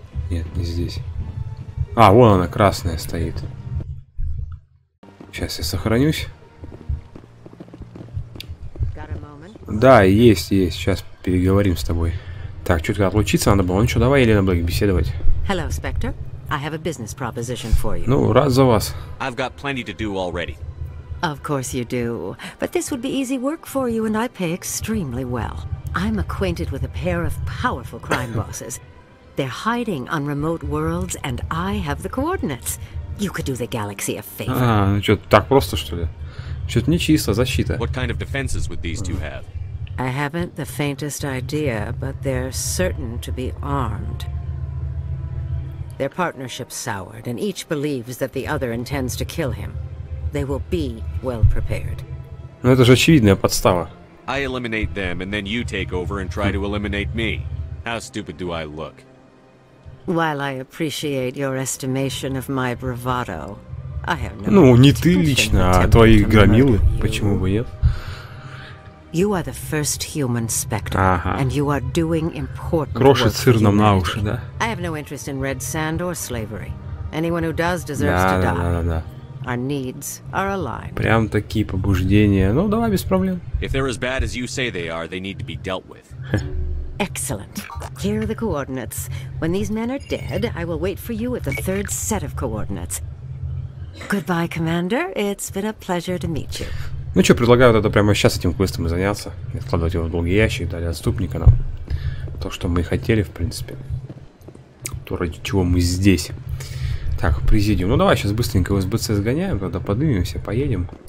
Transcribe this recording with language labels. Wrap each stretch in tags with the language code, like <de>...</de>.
<ru>Нет, не здесь. А, вон она, красная, стоит. Сейчас я сохранюсь. Да, есть, есть. Сейчас переговорим с тобой. Так, чуть-чуть отлучиться надо было. Ну что, давай, Елена Блэк, беседовать.</ru> <en>Hello, Spectre. I have a business proposition for you.</en> <ru>Ну, рад за вас.</ru> <en>I've got plenty to do already. Of course you do. But this would be easy work for you, and I pay extremely well. I'm acquainted with a pair of powerful crime bosses. They're hiding on remote worlds, and I have the coordinates. You could do the galaxy a favor.</en> <ru>А, ну что, так просто, что ли? Что-то нечисто, защита.</ru> <en>What kind of defenses would these two have? I haven't the faintest idea, but they're certain to be armed. Their partnership soured, and each believes that the other intends to kill him. They will be well prepared.</en> <ru>Ну это же очевидная подстава.</ru> <en>I eliminate them, and then you take over and try to eliminate me. How stupid do I look? While I appreciate your estimation of my bravado, I have no...</en> <ru>Ну, не ты лично, а твои громилы. Почему бы нет?</ru> <en>You are the first human spectre, and you are doing important</en> <ru>work. Крошит сыр нам на уши, да?</ru> <en>I have no interest in red sand or slavery. Anyone who does deserves to die.</en> <ru>Да.</ru> <en>Our needs are aligned.</en> <ru>Прям такие побуждения. Ну, давай без проблем.</ru> <en>If they're as bad as you say they are, they need to be dealt with. Excellent. Here are the coordinates. When these men are dead, I will wait for you with the third set of coordinates. Goodbye, Commander. It's been a pleasure to meet you.</en> <ru>Ну что, предлагаю тогда прямо сейчас этим квестом и заняться. И откладывать его в долгий ящик, дали отступника нам. То, что мы хотели, в принципе. То, ради чего мы здесь. Так, Президиум. Ну давай сейчас быстренько в СБЦ сгоняем, когда поднимемся, поедем.</ru>